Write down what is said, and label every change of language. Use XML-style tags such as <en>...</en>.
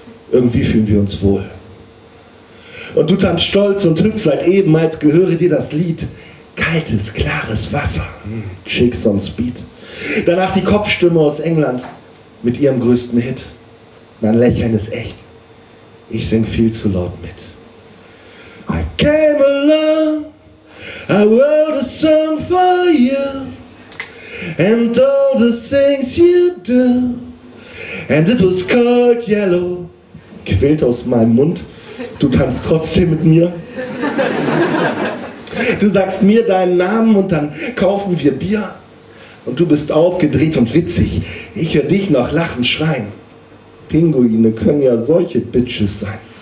<de>Irgendwie fühlen wir uns wohl. Und du tanzt stolz und hüpfst seit eben, als gehöre dir das Lied. Kaltes, klares Wasser. Chicks on Speed. Danach die Kopfstimme aus England mit ihrem größten Hit. Mein Lächeln ist echt. Ich sing viel zu laut mit.</de> <en>I came along, I wrote a song for you. And all the things you do. And it was called yellow.</en> <de>Quillt aus meinem Mund. Du tanzt trotzdem mit mir. Du sagst mir deinen Namen und dann kaufen wir Bier. Und du bist aufgedreht und witzig. Ich höre dich noch lachen, schreien. Pinguine können ja solche Bitches sein.</de>